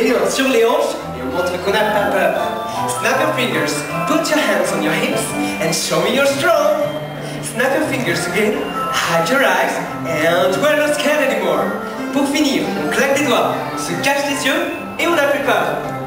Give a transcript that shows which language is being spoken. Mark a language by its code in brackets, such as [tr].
[fr] Sur les hanches, et montre qu'on n'a pas peur. [en] Snap your fingers, put your hands on your hips, and show me you're strong. Snap your fingers again, hide your eyes, and we're not scared anymore. [fr] Pour finir, on claque les doigts, on se cache les yeux, et on n'a plus peur.